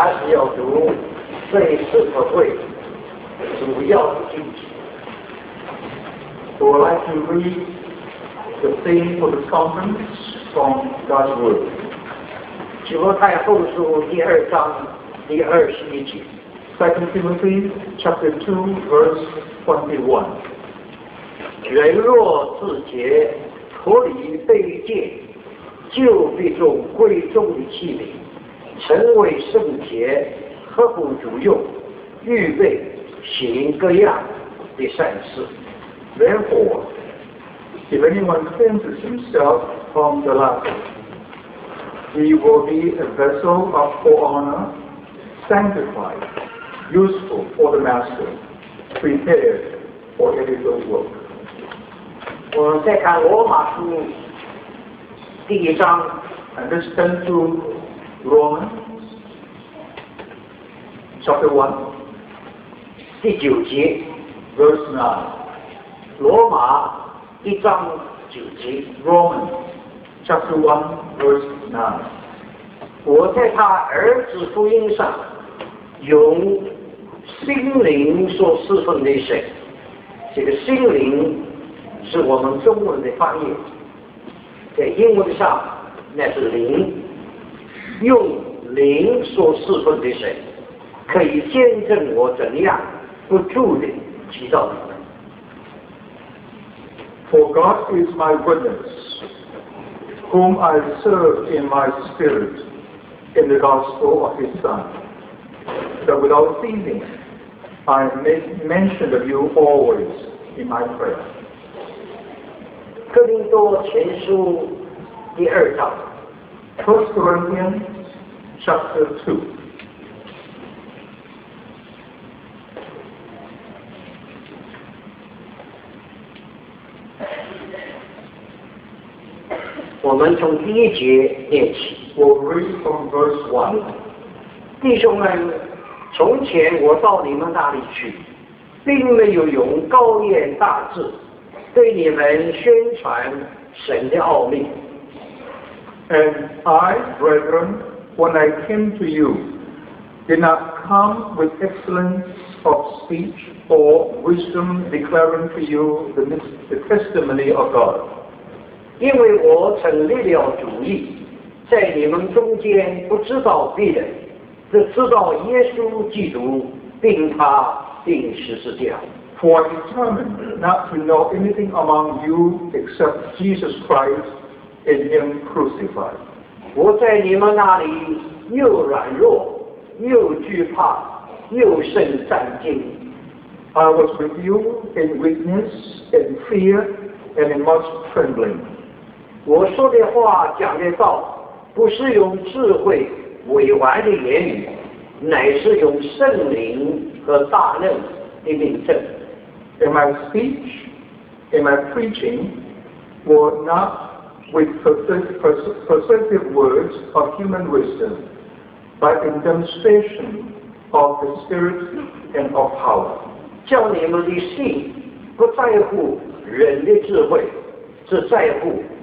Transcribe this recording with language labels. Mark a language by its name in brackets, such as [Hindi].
[Chinese] 教徒在社会主要的就职。 [English] So I'd like to read the theme for the conference from God's Word. [Chinese] 启示太后书第二章第二十一节。 [English] Second Timothy chapter 2 verse 21. [Chinese] 人若自洁，脱离卑贱，就必做贵重的器皿，成为圣洁，合乎主用，预备行各样的善事。 [English] Therefore, if anyone cleanses himself from the latter, he will be a vessel of full honor, sanctified, useful for the master, prepared for every good work. [Chinese] 我们再看罗马书第一章。 [English] And let's turn to Romans chapter 1, [Chinese] 第九节 [English] verse 9. [Chinese] 罗马一章九节 [English] Romans chapter 1 verse 9 [Chinese] 我在他儿子福音上用心灵所侍奉的神这个心灵是我们中文的翻译在英文上那是灵用灵所侍奉的神可以见证我怎样不住地祈祷你 [English] For God is my witness, whom I serve in my spirit in the gospel of his Son, that without ceasing I make mention of you always in my prayer. [Chinese] 哥林多前书第二章 [English] First Corinthians chapter 2 [Chinese] 我们从第一节念起。 [English] We'll read from verse 1. [Chinese] 弟兄们，从前我到你们那里去，并没有用高言大志对你们宣传神的奥秘。 [English] And I, brethren, when I came to you, did not come with excellence of speech or wisdom declaring to you the testimony of God. [Chinese] 因为我曾立了主意，在你们中间不知道别人，只知道耶稣基督，并他钉十字架。 [English] For I determined not to know anything among you except Jesus Christ and Him crucified. [Chinese] 我在你们那里又软弱，又惧怕，又甚战惊。 [English] I was with you in weakness, in fear, and in much trembling. [Chinese] 我说的话讲的道不是用智慧委婉的言语乃是用圣灵和大能的名证 [English] In my speech In my preaching were not with persuasive words of human wisdom but in demonstration of the spirit and of power [Chinese] 叫你们的信不在乎人的智慧只在乎